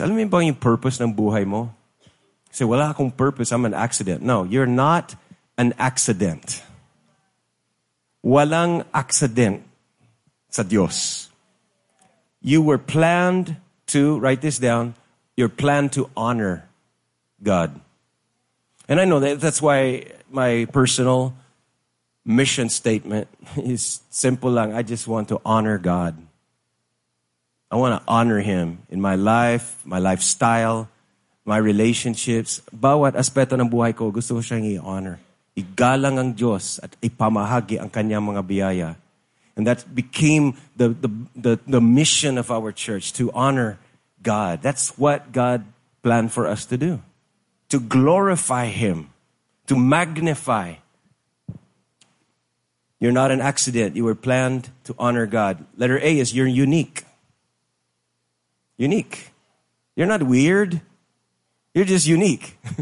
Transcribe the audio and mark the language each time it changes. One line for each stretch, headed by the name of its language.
Filipino: Alam mo yung purpose ng buhay mo?
English: Say,
Filipino: wala akong
English: purpose, I'm an accident. No, you're not an accident.
Filipino: Walang accident sa Diyos.
English: You were planned to, write this down, you're planned to honor God. And I know that that's why my personal mission statement is simple
Filipino: lang.
English: I just want to honor God. I want to honor Him in my lifestyle, my relationships.
Filipino: Bawat aspeto ng buhay ko, gusto ko siyang i-honor. Igalang ang Diyos at ipamahagi ang kanyang mga biyaya.
English: And that became the mission of our church, to honor God. That's what God planned for us to do. To glorify Him. To magnify. You're not an accident. You were planned to honor God. Letter A is you're unique. Unique. You're not weird. You're just unique.